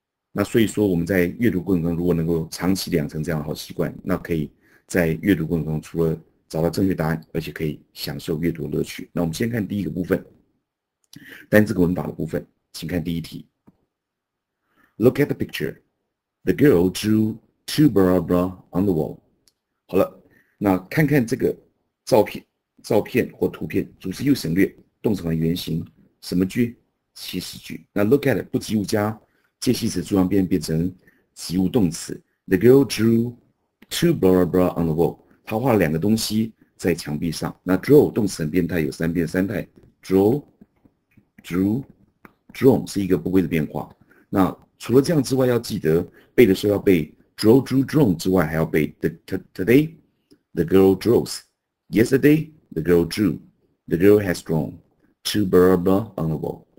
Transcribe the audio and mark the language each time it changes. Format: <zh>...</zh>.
<zh>那所以说我们在阅读过程中，如果能够长期养成这样的好习惯，那可以在阅读过程中除了找到正确答案，而且可以享受阅读的乐趣。那我们先看第一个部分。单字跟文法的部分，请看第一题。</zh> <en>Look at the picture. The girl drew two bra bra on the wall.</en> <zh>好了，那看看这个照片或图片，主词又省略，动词还原形，什么句？祈使句。那 look at 不及物加介系词助量变成及物动词。</zh> <en>The girl drew two bra bra on the wall.</en> <zh>她画了两个东西在墙壁上。那 draw 动词很变态，有三变三态。Draw，drawn 是一个不规则变化。那除了这样之外，要记得背的时候要背</zh> <en>draw, drew, drawn</en> <zh>之外，还要背</zh> <en>today, the girl draws, yesterday, the girl drew, the girl has drawn, two bra bra on the wall。</en>